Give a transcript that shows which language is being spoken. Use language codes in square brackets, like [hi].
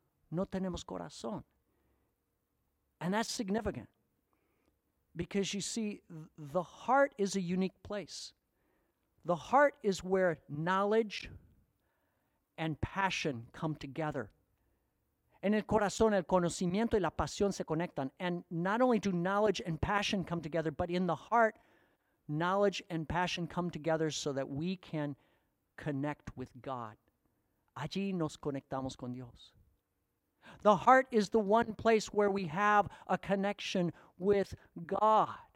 [es] No tenemos corazón. [en] And that's significant. Because you see, the heart is a unique place. The heart is where knowledge and passion come together. [es] En el corazón, el conocimiento y la pasión se conectan. [en] And not only do knowledge and passion come together, but in the heart, knowledge and passion come together so that we can connect with God. [es] Allí nos conectamos con Dios. [en] The heart is the one place where we have a connection with God.